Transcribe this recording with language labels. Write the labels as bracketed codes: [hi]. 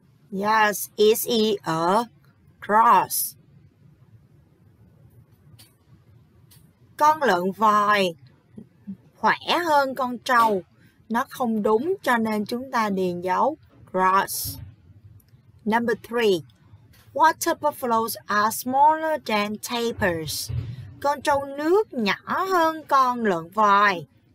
[en] Yes, is it a cross? [vi] Con lợn voi khỏe hơn con trâu. Nó không đúng cho nên chúng ta điền dấu cross. [en] Number three, water buffaloes are smaller than tapirs. [vi] Con trâu nước nhỏ hơn con lợn voi.